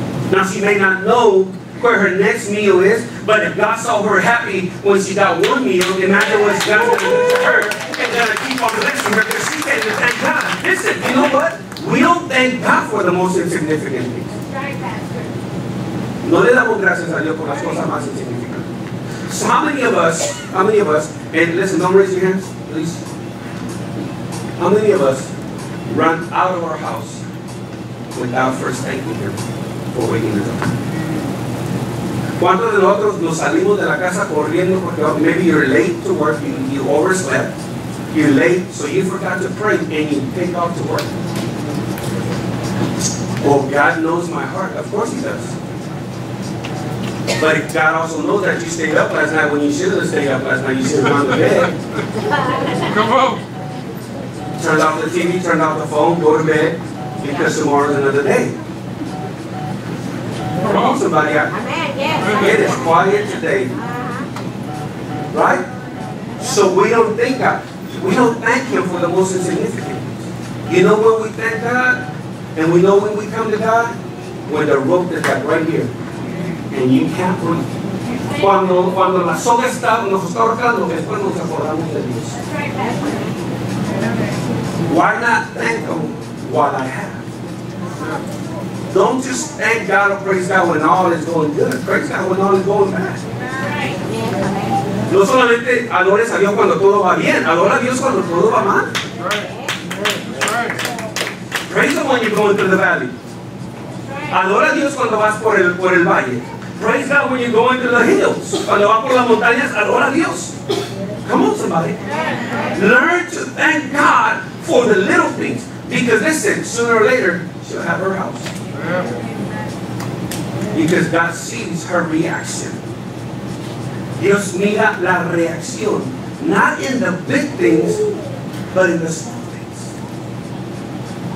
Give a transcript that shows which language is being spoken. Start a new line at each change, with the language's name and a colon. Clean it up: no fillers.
English: Now, she may not know where her next meal is, but if God saw her happy when she got one meal, imagine what God's going to do to her and going to keep on blessing her because she came to thank God. Listen, you know what? We don't thank God for the most insignificant things.
Spanish: No le damos gracias a Dios por las cosas más insignificantes.
English: So how many of us, and listen, don't raise your hands, please. How many of us run out of our house without first thanking Him for waking us up?
Spanish: ¿Cuántos de nosotros nos salimos de la casa corriendo porque
English: maybe you're late to work, you overslept, you're late, so you forgot to pray and you take off to work? Well, God knows my heart. Of course He does. But God also knows that you stayed up last night when you shouldn't have stayed up last night. You should have gone to bed. Come on. Turn off the TV, turn off the phone, go to bed, because tomorrow's another day. Come on, somebody. Yes. It is quiet today. Right? So we don't thank God. We don't thank Him for the most insignificant. You know when we thank God? And we know when we come to God? When the rope is up right here. And you can't breathe.
Spanish: Cuando la soga está, nos está ahorcando, después nos acordamos de Dios.
English: Why not thank Him while I have? Don't just thank God or praise God when all is going good. Praise God when all is going bad.
Spanish: No solamente adores a Dios cuando todo va bien. Adora a Dios cuando todo va mal.
English: Praise Him when you're going through the valley.
Spanish: Adora a Dios cuando vas por el valle.
English: Praise God when you're going through the hills.
Spanish: Cuando vas por las montañas, adora a Dios.
English: Come on, somebody. Learn to thank God for the little things. Because listen, sooner or later, she'll have her house. Because God sees her reaction.
Spanish: Dios mira la reacción,
English: not in the big things, but in the small things.